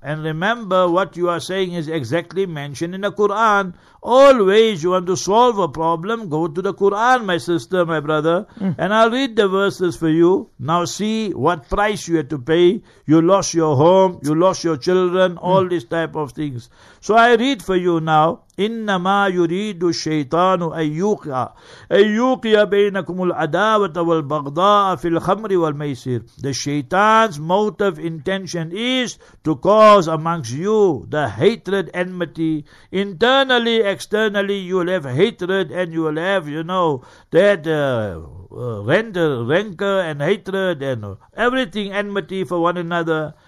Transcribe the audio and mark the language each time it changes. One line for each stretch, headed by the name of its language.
English: And remember, what you are saying is exactly mentioned in the Quran. Always you want to solve a problem, go to the Quran, my sister, my brother. And I'll read the verses for you. Now see what price you had to pay. You lost your home, you lost your children, all these type of things. So I read for you now.
Arabic: إنما يريد الشيطان أن يوقع بينكم العداوة والبغضاء في الخمر والميسر.
English: The Shaitan's motive intention is to cause amongst you the hatred, enmity. Internally, externally, you will have hatred and you will have, you know, that rancor and hatred and everything, enmity for one another.